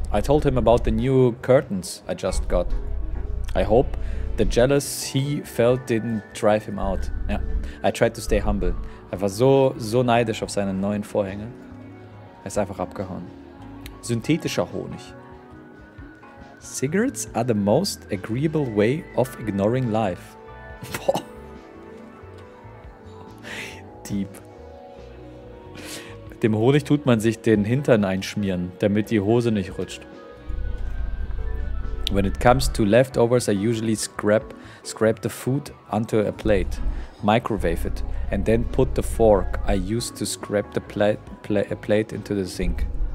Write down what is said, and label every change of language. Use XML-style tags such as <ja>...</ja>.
<en>I told him about the new curtains I just got. I hope the jealous he felt didn't drive him out. Yeah, I tried to stay humble.</en> <de>Er war so neidisch auf seine neuen Vorhänge. Er ist einfach abgehauen. Synthetischer Honig.</de> <en>Cigarettes are the most agreeable way of ignoring life. Boah. Deep.</en> <de>Dem Honig tut man sich den Hintern einschmieren, damit die Hose nicht rutscht.</de> <en>When it comes to leftovers, I usually scrap the food onto a plate, microwave it, and then put the fork I use to scrap the plate into the sink.</en>